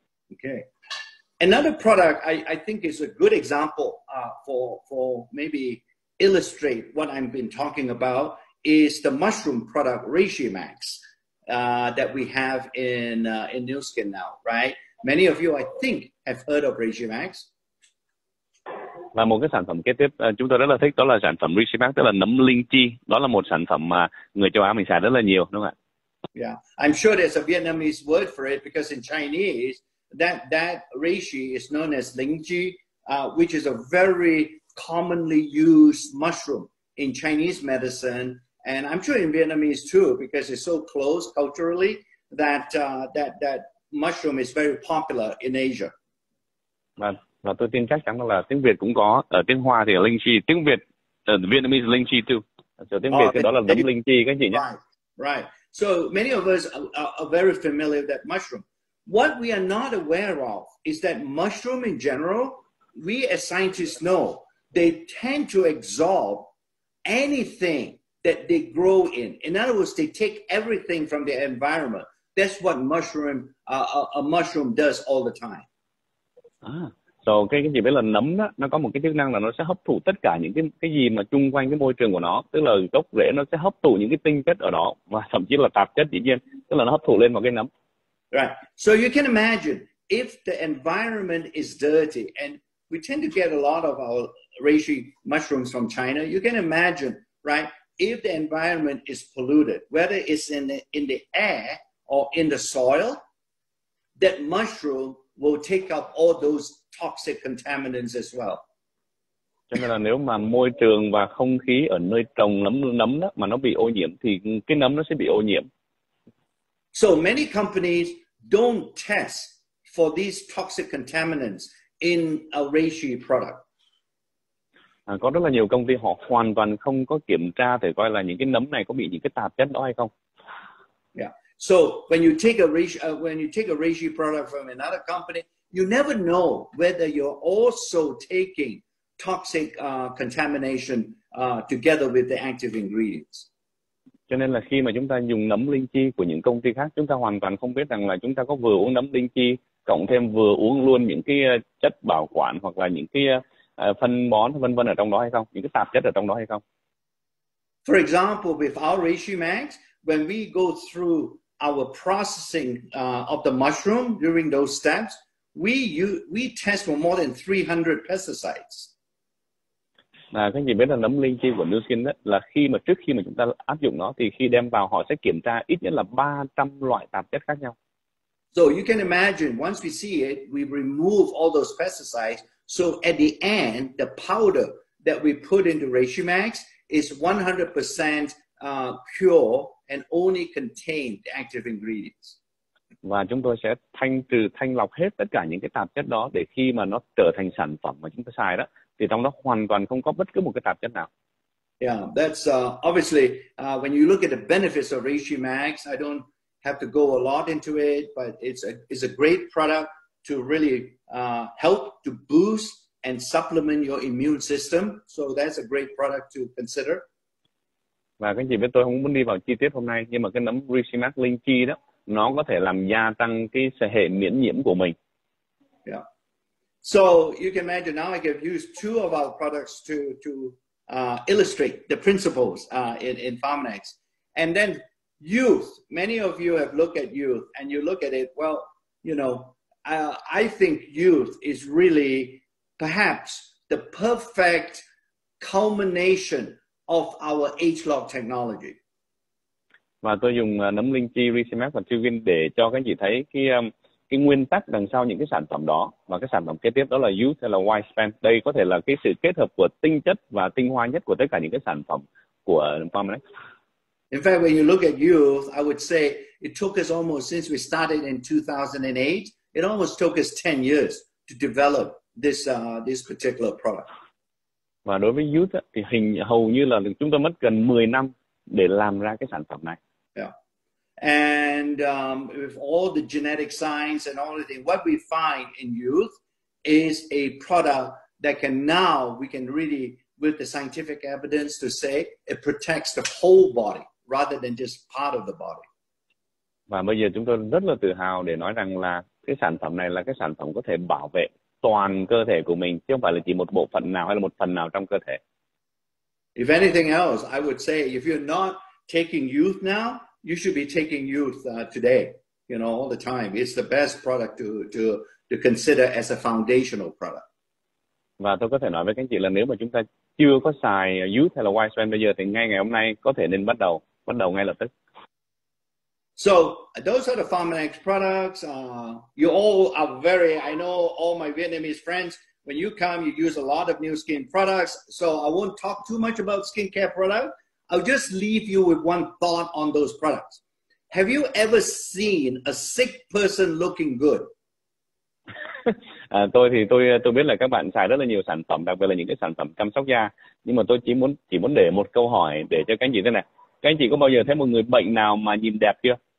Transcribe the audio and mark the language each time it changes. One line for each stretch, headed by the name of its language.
English: Okay. Another product I think is a good example for maybe illustrate what I've been talking about is the mushroom product Regimax that we have in New Skin now, right? Many of you I think have heard of Regimax.
Vietnamese: Và một cái sản phẩm kế tiếp chúng tôi rất là thích đó là sản phẩm Regimax, tức là nấm linh chi. Đó là một sản phẩm mà người châu Á mình xài rất là nhiều, đúng không ạ?
English: Yeah, I'm sure there's a Vietnamese word for it because in Chinese that reishi is known as linh chi, which is a very commonly used mushroom in Chinese medicine, and I'm sure in Vietnamese too because it's so close culturally that mushroom is very popular in Asia.
Vietnamese: Và tôi tin chắc chắn là tiếng Việt cũng có, ở tiếng Hoa thì linh chi, tiếng Việt
English: Vietnamese linh chi too.
Vietnamese: So tiếng Việt cái đó là nấm linh chi các anh chị nhé.
English: Right. So many of us are very familiar with that mushroom. What we are not aware of is that mushroom in general, we as scientists know, they tend to absorb anything that they grow in. In other words, they take everything from the environment. That's what a mushroom does all the time.
Vietnamese: So cái gì biết là nấm đó, nó có một cái chức năng là nó sẽ hấp thụ tất cả những cái gì mà chung quanh cái môi trường của nó, tức là gốc rễ nó sẽ hấp thụ những cái tinh chất ở đó và thậm chí là tạp chất dĩ nhiên, tức là nó hấp thụ lên vào cái nấm.
English: Right. So you can imagine if the environment is dirty and we tend to get a lot of our reishi mushrooms from China. You can imagine, right? If the environment is polluted, whether it's in the air or in the soil, that mushroom will take up all those toxic contaminants as well.
Vietnamese: Cho nên là nếu mà môi trường và không khí ở nơi trồng nấm đó mà nó bị ô nhiễm thì cái nấm nó sẽ bị ô nhiễm.
English: So many companies don't test for these toxic contaminants in a reishi product.
Vietnamese: Có rất là nhiều công ty họ hoàn toàn không có kiểm tra để coi là những cái nấm này có bị những cái tạp chất đó hay không.
English: Yeah. So when you take a reishi product from another company, you never know whether you're also taking toxic contamination together with the active ingredients.
Vietnamese: Cho nên là khi mà chúng ta dùng nấm linh chi của những công ty khác, chúng ta hoàn toàn không biết rằng là chúng ta có vừa uống nấm linh chi cộng thêm vừa uống luôn những cái chất bảo quản hoặc là những cái phân bón vân vân ở trong đó hay không, những cái tạp chất ở trong đó hay không.
English: For example, with our Regimax, when we go through our processing of the mushroom during those steps, we test for more than 300 pesticides.
Vietnamese: Và cái gì biết là nấm linh chi của New Skin đó, là khi mà trước khi mà chúng ta áp dụng nó thì khi đem vào họ sẽ kiểm tra ít nhất là 300 loại tạp chất khác nhau.
English: So you can imagine, once we see it, we remove all those pesticides. So at the end, the powder that we put into Reishimax is 100% pure and only contain the active ingredients.
Vietnamese: Và chúng tôi sẽ thanh lọc hết tất cả những cái tạp chất đó để khi mà nó trở thành sản phẩm mà chúng ta xài đó, thì trong đó hoàn toàn không có bất cứ một cái tạp chất nào.
English: Yeah, that's obviously, when you look at the benefits of Reishimax, I don't have to go a lot into it, but it's a great product to really help to boost and supplement your immune system. So that's a great product to consider.
Vietnamese: Và các anh chị biết tôi không muốn đi vào chi tiết hôm nay, nhưng mà cái nấm Reishimax linh chi đó, nó có thể làm gia tăng cái hệ miễn nhiễm của mình.
English: Yeah. So you can imagine now I have used two of our products to illustrate the principles in Pharmanex. And then youth, many of you have looked at youth and you look at it, well, you know, I think youth is really perhaps the perfect culmination of our H-Log technology.
Vietnamese: Và tôi dùng nấm linh chi, Reishimax và Chia để cho các anh chị thấy cái nguyên tắc đằng sau những cái sản phẩm đó. Và cái sản phẩm kế tiếp đó là youth hay là lifespan. Đây có thể là cái sự kết hợp của tinh chất và tinh hoa nhất của tất cả những cái sản phẩm của Pharmanex.
English: In fact, when you look at youth, I would say it took us almost, since we started in 2008, it almost took us 10 years to develop this particular product.
Vietnamese: Và đối với youth thì hầu như là chúng ta mất gần 10 năm để làm ra cái sản phẩm này.
English: Yeah. And with all the genetic science and all the things, what we find in youth is a product that can now, we can really, with the scientific evidence to say, it protects the whole body rather than just part of the body.
Vietnamese: Và bây giờ chúng tôi rất là tự hào để nói rằng là cái sản phẩm này là cái sản phẩm có thể bảo vệ toàn cơ thể của mình, chứ không phải là chỉ một bộ phận nào hay là một phần nào trong cơ thể.
English: If anything else, I would say if you're not taking youth now, you should be taking youth today, you know, all the time. It's the best product to consider as a foundational product.
Vietnamese: Và tôi có thể nói với các anh chị là nếu mà chúng ta chưa có xài youth hay là lifespan bây giờ thì ngay ngày hôm nay có thể nên bắt đầu ngay lập tức.
English: So, those are the Pharmanex products. You all are very, I know all my Vietnamese friends, when you come, you use a lot of new skin products. So I won't talk too much about skincare products. I'll just leave you with one thought on those products. Have you ever seen a sick person looking good?
Vietnamese: tôi biết là các bạn xài rất là nhiều sản phẩm, đặc biệt là những cái sản phẩm chăm sóc da. Nhưng mà tôi chỉ muốn để một câu hỏi để cho các anh chị thế này. Các anh chị có bao giờ thấy một người bệnh nào mà nhìn đẹp chưa?